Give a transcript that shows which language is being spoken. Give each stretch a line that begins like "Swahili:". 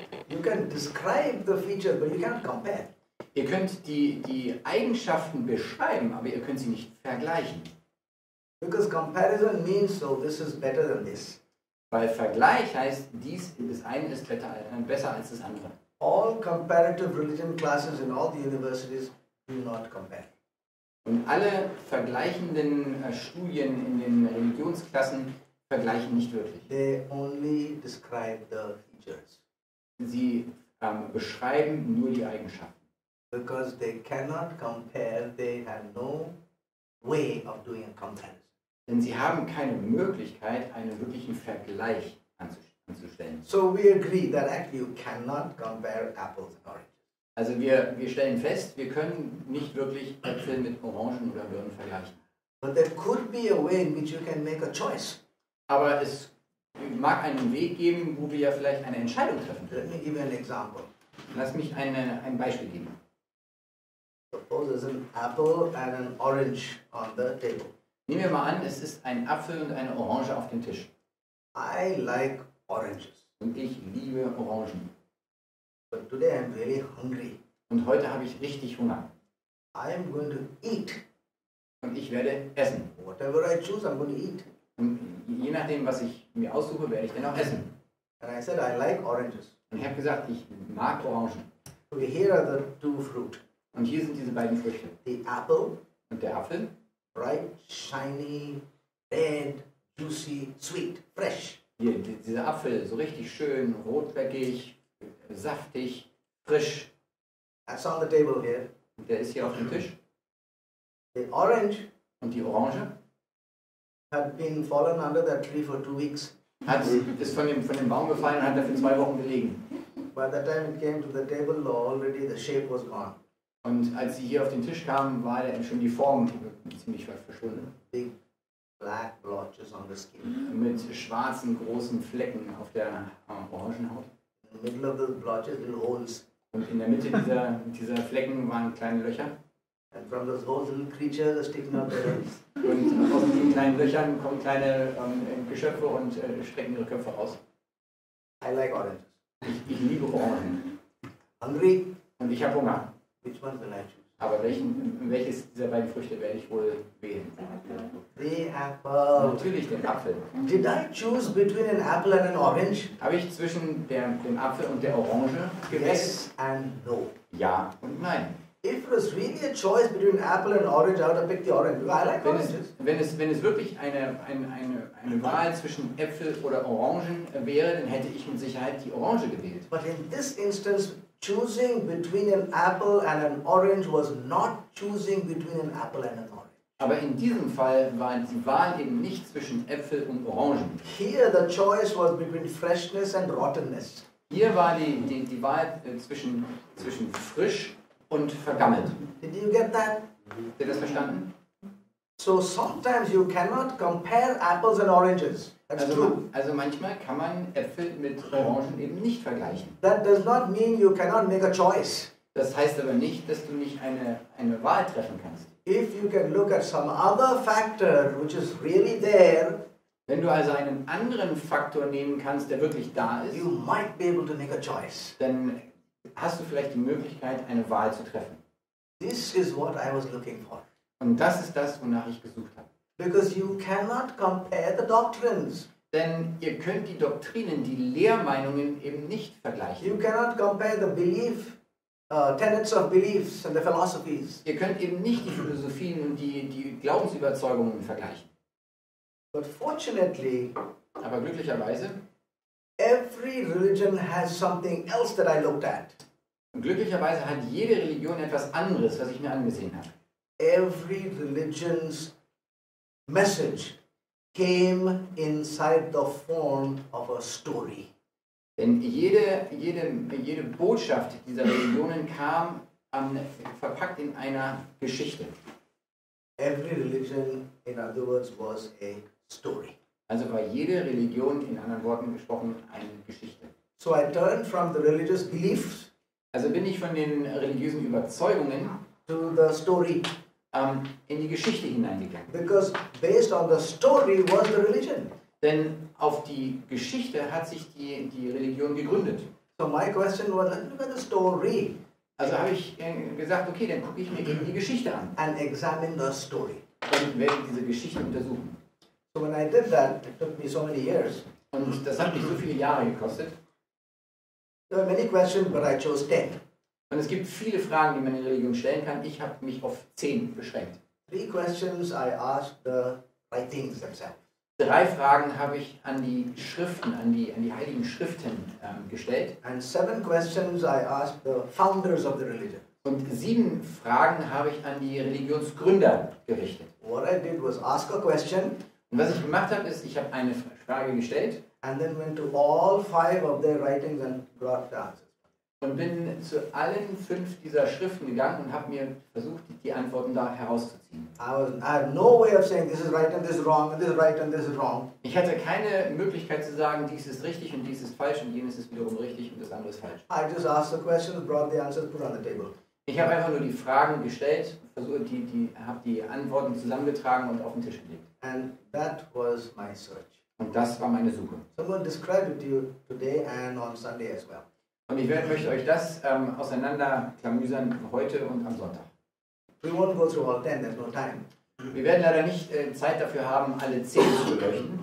English: You can describe the feature, but you cannot compare.
German: Ihr könnt die Eigenschaften beschreiben, aber ihr könnt sie nicht vergleichen.
English: Because comparison means so, this is better than this.
German: Weil Vergleich heißt, dies, das eine ist besser als das andere.
English: All all comparative religion classes in all the universities do not compare.
German: Und alle vergleichenden Studien in den Religionsklassen vergleichen nicht wirklich.
English: They only describe the features.
German: Sie beschreiben nur die Eigenschaften.
English: Because they cannot compare, they have no way of doing a comparison.
German: Denn sie haben keine Möglichkeit, einen wirklichen Vergleich anzustellen.
English: So we agree that actually you cannot compare apples and oranges.
German: Also wir stellen fest, wir können nicht wirklich Äpfel mit Orangen oder Birnen vergleichen.
English: But there could be a way in which you can make a choice.
German: Aber es mag einen Weg geben, wo wir ja vielleicht eine Entscheidung treffen können.
English: Let me give you an example.
German: Lass mich ein Beispiel geben.
English: Suppose there's an apple and an orange on the table.
German: Nehmen wir mal an, es ist ein Apfel und eine Orange auf dem Tisch.
English: I like oranges.
German: Und ich liebe Orangen.
English: But today I'm really hungry.
German: Und heute habe ich richtig Hunger.
English: I'm going to eat.
German: Und ich werde essen.
English: Whatever I choose, I'm going to eat.
German: Und je nachdem, was ich mir aussuche, werde ich dann auch essen.
English: And I said, I like oranges.
German: Und ich habe gesagt, ich mag Orangen.
English: Okay, here are the two fruit.
German: Und hier sind diese beiden Früchte.
English: The apple.
German: Und der Apfel.
English: Bright, shiny, red, juicy, sweet, fresh.
German: Hier, dieser Apfel, so richtig schön, rotbäckig, saftig, frisch.
English: That's on the table here.
German: Und der ist hier auf dem Tisch.
English: The orange.
German: Und die Orange.
English: Had been fallen under that tree for 2 weeks.
German: Ist von dem Baum gefallen und hat dafür 2 Wochen gelegen.
English: By the time it came to the table, already the shape was gone.
German: Und als sie hier auf den Tisch kamen, war dann schon die Form ziemlich weit verschwunden.
English: Big black blotches on the skin.
German: Mit schwarzen großen Flecken auf der Orangenhaut.
English: In the middle of the blotches, little holes.
German: Und in der Mitte dieser Flecken waren kleine Löcher.
English: And from those holes, little creatures are sticking out their heads.
German: Und aus den kleinen Löchern kommen kleine Geschöpfe und strecken ihre Köpfe raus.
English: I like oranges.
German: Ich liebe Orangen.
English: Hungry.
German: Und ich habe Hunger.
English: Which one will I choose?
German: Aber welches dieser beiden Früchte werde ich wohl wählen?
English: The apple.
German: Natürlich den Apfel.
English: Did I choose between an apple and an orange?
German: Habe ich zwischen dem Apfel und der Orange gewählt?
English: Yes and no.
German: Ja und nein.
English: If it was really a choice between apple and orange, I would have picked the orange. I like oranges.
German: Wenn es wirklich eine Wahl zwischen Äpfel oder Orangen wäre, dann hätte ich mit Sicherheit die Orange gewählt.
English: But in this instance, choosing between an apple and an orange was not choosing between an apple and an orange.
German: Aber in diesem Fall war die Wahl eben nicht zwischen Äpfel und Orangen.
English: Here the choice was between freshness and rottenness.
German: Hier war die Wahl zwischen frisch und vergammelt.
English: Did you get that?
German: Habt ihr das verstanden?
English: So sometimes you cannot compare apples and oranges. That's also, true.
German: Also manchmal kann man Äpfel mit Orangen eben nicht vergleichen.
English: That does not mean you cannot make a choice.
German: Das heißt aber nicht, dass du nicht eine Wahl treffen kannst.
English: If you can look at some other factor which is really there,
German: wenn du also einen anderen Faktor nehmen kannst, der wirklich da ist,
English: you might be able to make a choice.
German: Dann hast du vielleicht die Möglichkeit, eine Wahl zu treffen.
English: This is what I was looking for.
German: Und das ist das, wonach ich gesucht habe.
English: Because you cannot compare the doctrines.
German: Denn ihr könnt die Doktrinen, die Lehrmeinungen eben nicht vergleichen.
English: You cannot compare the belief, tenets of beliefs and the philosophies.
German: Ihr könnt eben nicht die Philosophien und die Glaubensüberzeugungen vergleichen.
English: But fortunately,
German: aber glücklicherweise,
English: every religion has something else that I looked at.
German: Und glücklicherweise hat jede Religion etwas anderes, was ich mir angesehen habe.
English: Every religion's message came inside the form of a story.
German: Denn jede Botschaft dieser Religionen kam verpackt in einer Geschichte.
English: Every religion, in other words, was a story.
German: Also war jede Religion, in anderen Worten gesprochen, eine Geschichte.
English: So I turned from the religious beliefs.
German: Also bin ich von den religiösen Überzeugungen
English: to the story.
German: In die Geschichte hineingegangen.
English: Because based on the story was the religion.
German: Denn auf die Geschichte hat sich die Religion gegründet.
English: So my question was, look at the story.
German: Also habe ich gesagt, okay, dann gucke ich mir eben die Geschichte an.
English: And examine the story.
German: Und werde diese Geschichte untersuchen.
English: So when I did that, it took me so many years.
German: Und das hat mich so viele Jahre gekostet.
English: There are many questions, but I chose 10.
German: Und es gibt viele Fragen, die man in Religion stellen kann. Ich habe mich auf 10 beschränkt.
English: 3 questions I asked the writings themselves.
German: 3 Fragen habe ich an die Schriften, an die heiligen Schriften gestellt.
English: And 7 questions I asked the founders of the religion.
German: Und 7 Fragen habe ich an die Religionsgründer gerichtet.
English: What I did was ask a question.
German: Und was ich gemacht habe, ist, ich habe eine Frage gestellt.
English: And then went to all 5 of their writings and got the answers.
German: Und bin zu allen 5 dieser Schriften gegangen und habe mir versucht, die Antworten da herauszuziehen.
English: I have no way of saying this is right and this is wrong and this is right and this is wrong.
German: Ich hatte keine Möglichkeit zu sagen, dies ist richtig und dies ist falsch und jenes ist wiederum richtig und das andere ist falsch.
English: I just asked the question, brought the answers, put on the table.
German: Ich habe einfach nur die Fragen gestellt, habe die Antworten zusammengetragen und auf den Tisch gelegt.
English: And that was my search.
German: Und das war meine Suche.
English: Someone described it to you today and on Sunday as well.
German: Und ich möchte euch das auseinanderklamüsern heute und am Sonntag.
English: We won't go through all 10, there's no time.
German: Wir werden leider nicht Zeit dafür haben, alle 10 zu beleuchten.